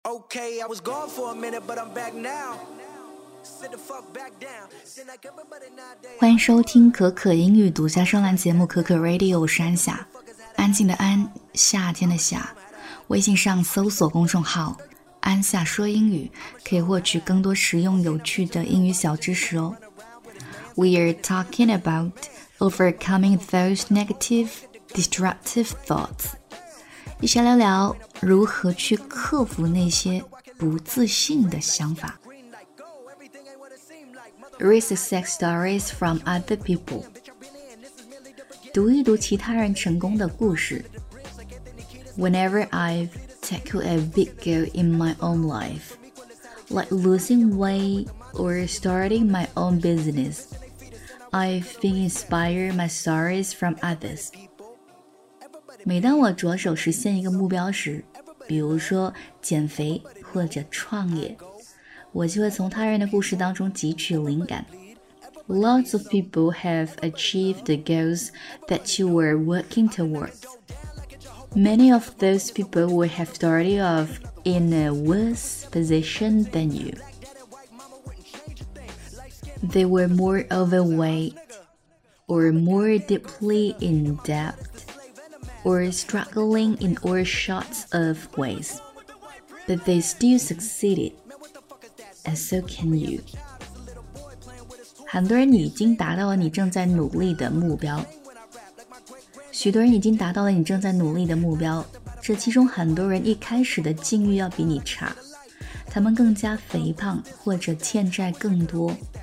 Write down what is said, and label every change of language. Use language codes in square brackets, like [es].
[en] Okay, I was gone for a minute, but I'm back now. Sit the fuck back down. Then like everybody nowadays. [zh] 欢迎收听可可英语独家专栏节目可可 Radio 山下，安静的安，夏天的夏。微信上搜索公众号安夏说英语，可以获取更多实用有趣的英语小知识哦。 [en] We are talking about overcoming those negative, destructive thoughts. [zh] 一起来聊聊如何去克服那些不自信的想法。 [en] Read success stories from other people. [zh] 读一读其他人成功的故事。 [en] Whenever I've tackled a big goal in my own life, like losing weight or starting my own business,I've been inspired by stories from others. [zh] 每当我着手实现一个目标时，比如说减肥或者创业，我就会从他人的故事当中汲取灵感。 [en] Lots of people have achieved the goals that you were working towards. Many of those people would have started off in a worse position than you. They were more overweight, or more deeply in debt, or struggling in all sorts of ways. But they still succeeded, and so can you. [zh] 很多人已经达到了你正在努力的目标。许多人已经达到了你正在努力的目标。这其中很多人一开始的境遇要比你差，他们更加肥胖或者欠债更多。